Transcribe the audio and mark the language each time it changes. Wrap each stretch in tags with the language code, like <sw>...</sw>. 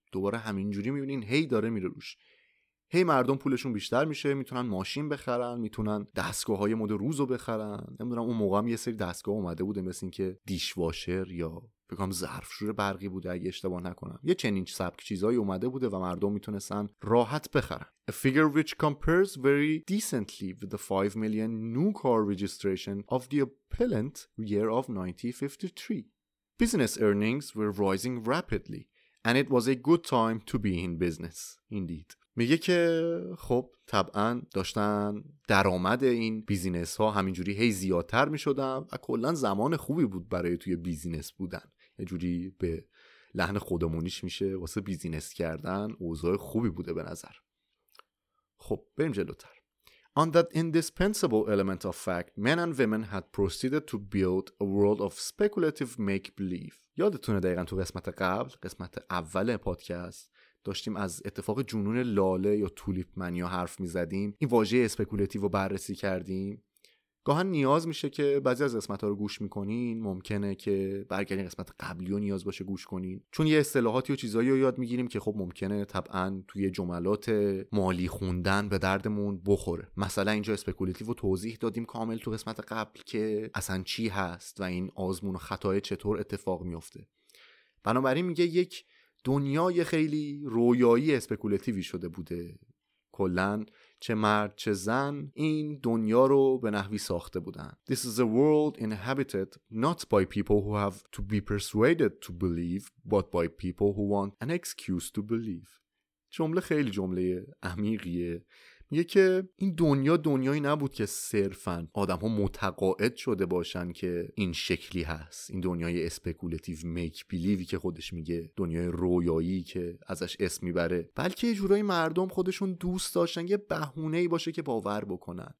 <fa>دوباره همینجوری میبینین هی داره میره روش، هی مردم پولشون بیشتر میشه، میتونن ماشین بخرن، میتونن دستگاه‌های مد روزو بخرن. نمیدونم اون موقع هم یه سری دستگاه اومده بوده، مثل اینکه دیش واشر یا بگم ظرفشور برقی بوده اگه اشتباه نکنم، یه چنین سبک چیزایی اومده بوده و مردم میتونستن راحت بخرن.</fa> <en>A figure which compares very decently with the 5 million new car registration of the appellant year of 1953. Business earnings were rising rapidly and it was a good time to be in business. Indeed.</en> <fa>میگه که خب طبعا داشتن درآمد این بیزینس ها همینجوری هی زیادتر میشدن و کلن زمان خوبی بود برای توی بیزینس بودن. یه جوری به لحن خودمونیش میشه واسه بیزینس کردن اوضاع خوبی بوده به نظر. خب بریم جلوتر.</fa> <en>On that indispensable element of fact, men and women had proceeded to build a world of speculative make-believe.</en> <fa>یادتونه دقیقا تو قسمت قبل، قسمت اول پادکست، داشتیم از اتفاق جنون لاله یا تولیپ منیا حرف می‌زدیم، این واژه اسپکولتیو رو بررسی کردیم. گاهن نیاز میشه که بعضی از قسمت‌ها رو گوش می‌کنین، ممکنه که برگردین قسمت قبلی رو نیاز باشه گوش کنین، چون یه اصطلاحاتی و چیزایی رو یاد می‌گیریم که خب ممکنه طبعاً توی جملات مالی خوندن به دردمون بخوره. مثلا اینجا اسپکولتیو رو توضیح دادیم کامل تو قسمت قبل که اصلاً چی هست و این آزمون و خطای چطور اتفاق می‌افته. بنابراین میگه یک دنیای خیلی رویایی اسپکولتیوی شده بوده، کلن چه مرد چه زن این دنیا رو به نحوی ساخته بودن.</fa> <en>This is a world inhabited not by people who have to be persuaded to believe but by people who want an excuse to believe.</en> <fa>جمله خیلی جمله عمیقیه، میگه که این دنیا دنیایی نبود که صرفاً آدم‌ها متقاعد شده باشن که این شکلی هست، این دنیای اسپکولتیو میک بیلیوی که خودش میگه، دنیای رویایی که ازش اسم میبره، بلکه یه جورایی مردم خودشون دوست داشتن یه بهونه‌ای باشه که باور بکنن.</fa>